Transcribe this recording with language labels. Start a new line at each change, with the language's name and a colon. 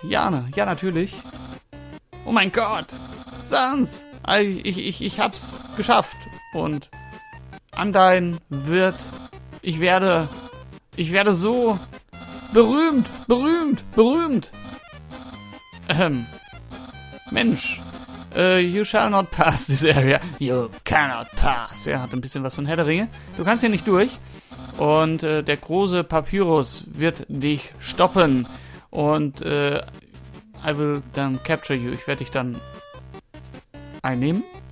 German: Jana, ja natürlich. Oh mein Gott, Sans. Ich hab's geschafft und ich werde so berühmt.
English: Mensch, you shall not pass this area. You cannot pass.
German: Er hat ein bisschen was von Herr der Ringe. Du kannst hier nicht durch und der große Papyrus wird dich stoppen und
English: I will then capture you.
German: Ich werde dich dann einnehmen.